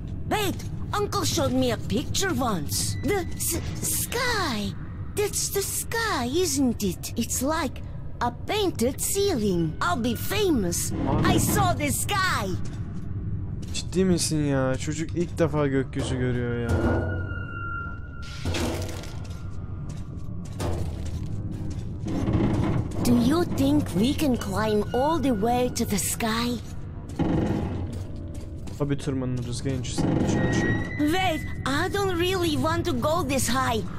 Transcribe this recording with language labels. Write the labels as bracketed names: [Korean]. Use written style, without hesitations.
[English] Wait, Uncle showed me a picture once. The sky. That's the sky, isn't it? It's like a painted ceiling. I'll be famous. I saw the sky. [Turkish] Ciddi misin ya? Çocuk ilk defa gökyüzü görüyor ya. [English] Do you think we can climb all the way to the sky? [Turkish] Abi tırmanırız genç, senin için her şey. [English] Wait, I don't really want to go this high.